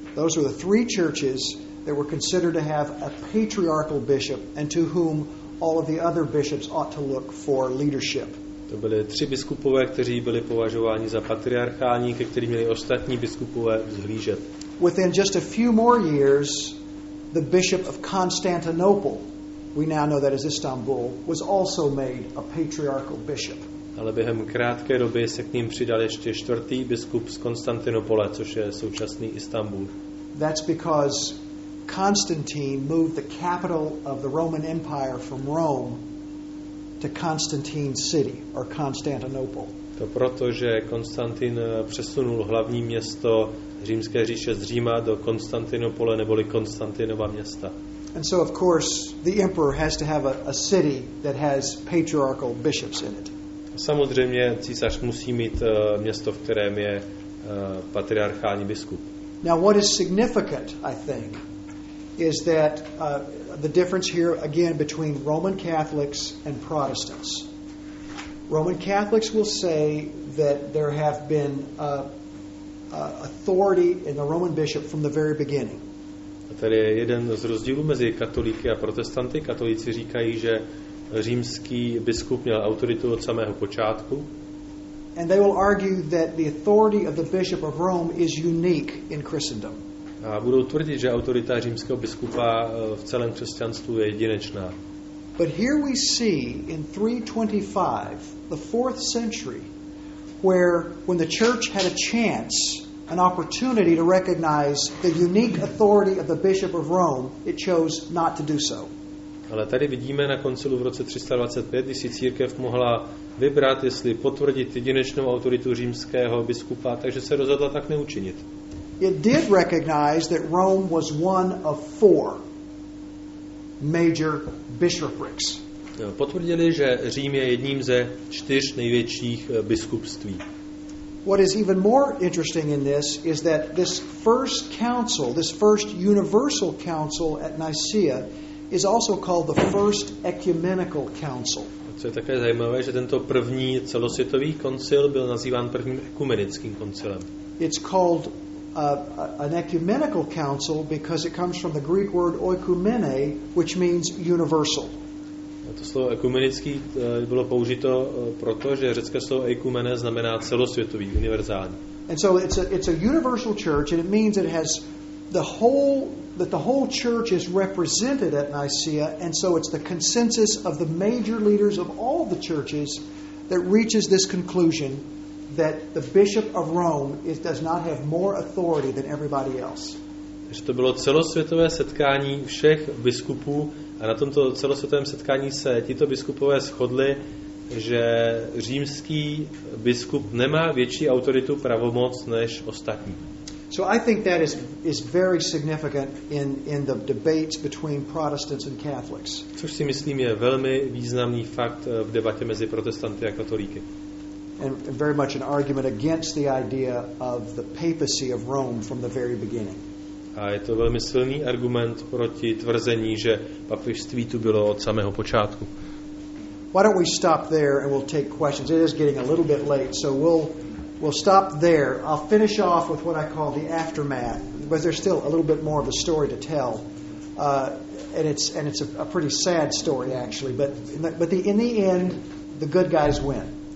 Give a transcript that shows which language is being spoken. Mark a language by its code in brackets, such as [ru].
[en] Those were the three churches that were considered to have a patriarchal bishop and to whom all of the other bishops ought to look for leadership. [cs] To byly tři biskupové, kteří byli považováni za patriarchální, ke kterým měli ostatní biskupové vzhlížet. [en] Within just a few more years, the bishop of Constantinople, we now know that as Istanbul, was also made a patriarchal bishop. [cs] Ale během krátké doby se k ním přidal ještě čtvrtý biskup z Konstantinopole, což je současný Istanbul. [en] That's because Constantine moved the capital of the Roman Empire from Rome to Constantine's city or Constantinople. [cs] To proto, že Konstantin přesunul hlavní město Římské říše z Říma do Konstantinopole neboli Konstantinova města. [en] And so of course the emperor has to have a city that has patriarchal bishops in it. [cs] Samozřejmě císař musí mít město, v kterém je patriarchální biskup. [en] Now what is significant, I think, is that the difference here again between Roman Catholics and Protestants. Roman Catholics will say that there have been authority in the Roman bishop from the very beginning. [cs] A tady je jeden z rozdílů mezi katolíky a protestanty. Katolíci říkají, že římský biskup měl autoritu od samého počátku. [en] And they will argue that the authority of the bishop of Rome is unique in Christendom. [cs] A budou tvrdit, že autorita římského biskupa v celém křesťanství je jedinečná. [en] But here we see in 325, the 4th century, where when the church had a chance, an opportunity to recognize the unique authority of the bishop of Rome, it chose not to do so. [cs] Ale tady vidíme na koncilu v roce 325, když si církev mohla vybrat, jestli potvrdit jedinečnou autoritu římského biskupa, takže se rozhodla tak neučinit. [en] It did recognize that Rome was one of four major bishoprics. [cs] Potvrdili, že Řím je jedním ze čtyř největších biskupství. [en] What is even more interesting in this is that this first council, this first universal council at Nicaea, is also called the first ecumenical council. [cs] Co je také zajímavé, že tento první celosvětový koncil byl nazýván prvním ekumenickým koncilem. [en] It's called an ecumenical council because it comes from the Greek word oikoumene, which means universal. [cs] A to slovo ekumenický bylo použito proto, že řecké slovo ekumene znamená celosvětový, univerzální. [en] And so it's a universal church, and it means it has the whole church is represented at Nicaea, and so it's the consensus of the major leaders of all the churches that reaches this conclusion that the bishop of Rome does not have more authority than everybody else. [cs] Že to bylo celosvětové setkání všech biskupů a na tomto celosvětovém setkání se tito biskupové shodli, že římský biskup nemá větší autoritu, pravomoc než ostatní. [en] So I think that is very significant in the debates between Protestants and Catholics. [cs] Což si myslím je velmi významný fakt v debatě mezi protestanty a katolíky. [en] And very much an argument against the idea of the papacy of Rome from the very beginning. [cs] A je to velmi silný argument proti tvrzení, že papežství tu bylo od samého počátku. [en] Why don't we stop there and we'll take questions. It is getting a little bit late, so we'll stop there. I'll finish off with what I call the aftermath, but there's still a little bit more of a story to tell. And it's a pretty sad story, actually. But in the end, the good guys win.